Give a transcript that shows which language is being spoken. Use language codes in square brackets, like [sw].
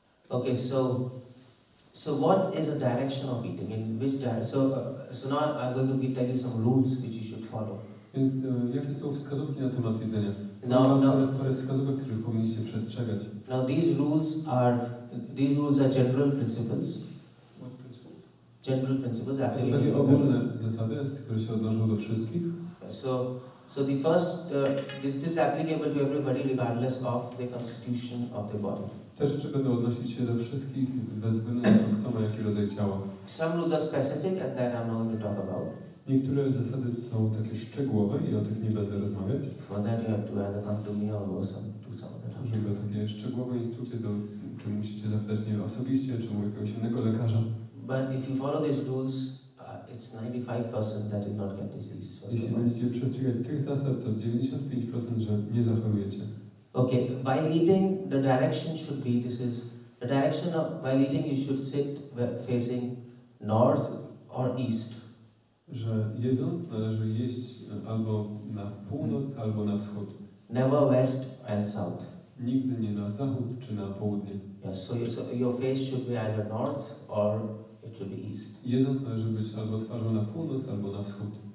[en] Okay, so what is the direction of eating? In which direction? So now I'm going to tell you some rules which you should follow. [pl] Więc jakie są wskazówki na temat jedzenia? Parę wskazówek, które powinniście przestrzegać. [en] Now these rules are general principles. General principles are [pl] takie ogólne zasady, które się odnoszą do wszystkich. [en] So the first, this is applicable to everybody regardless of the constitution of the body. [pl] Te rzeczy będą odnosić się do wszystkich, bez względu na to, kto ma jaki rodzaj ciała. [en] Some rules are specific and that I'm not going to talk about. [pl] Niektóre zasady są takie szczegółowe i o tych nie będę rozmawiać. [en] For that you have to either come to me or go somewhere. [pl] Żeby takie szczegółowe instrukcje, to czy musicie zapytać mnie osobiście, czy u jakiegoś innego lekarza. [en] But if you follow these rules, it's 95% that did not get disease. [pl] Jeśli będziecie przestrzegać tych zasad, to 95%, że nie zachorujecie. [en] Okay, while eating, the direction should be, this is, the direction of, while eating, you should sit facing north or east. [pl] że jedząc należy jeść albo na północ, albo na wschód. [en] Never west and south. [pl] Nigdy nie na zachód czy na południe. [en] Yes, so your face should be either north or it should be east. [pl] Jedząc należy być albo twarzą na północ, albo na wschód.